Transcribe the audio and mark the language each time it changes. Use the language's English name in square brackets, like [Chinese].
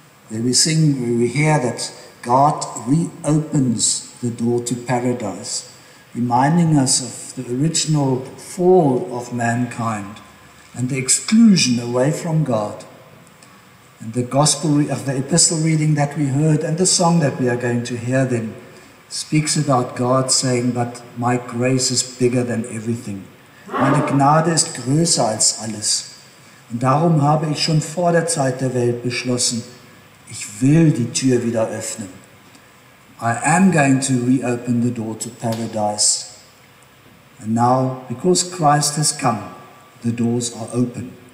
[English] There we sing, we hear that God reopens the door to paradise, reminding us of the original fall of mankind and the exclusion away from God. And the gospel of the epistle reading that we heard and the song that we are going to hear then speaks about God saying, but my grace is bigger than everything. [German] Meine Gnade ist größer als alles. Und darum habe ich schon vor der Zeit der Welt beschlossen, ich will die Tür wieder öffnen. [English] I am going to reopen the door to paradise. And now, because Christ has come, the doors are open.